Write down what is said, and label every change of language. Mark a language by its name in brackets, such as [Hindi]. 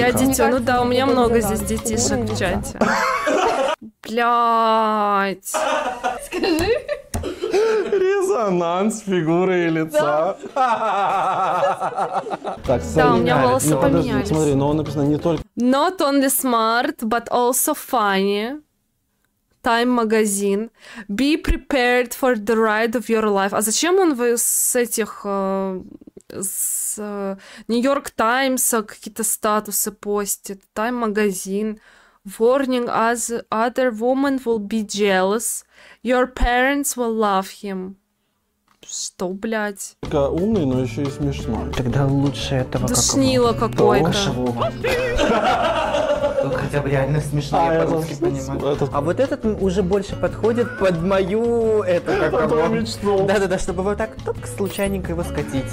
[Russian] Я дитя, ну да, у меня много здесь детишек в чате. Блять. Скажи. Резонанс фигуры и лица. Так, да, у меня волосы поменялись. Смотри, но он написано не только. [English] Not only smart, but also funny. Time magazine. Be prepared for the ride of your life. [Russian] А зачем он с этих... с Нью-Йорк Таймс какие-то статусы постит. [English] Time Magazine. Warning, as other women will be jealous. Your parents will love him. [Russian] Что, блядь? Только умный, но еще и смешной. Тогда лучше этого душнило какого-то. Душнило какое-то. Тут хотя бы реально смешно, я по-русски понимаю. А вот этот уже больше подходит под мою эту мечту. Да-да-да, чтобы вот так только случайненько его скатить.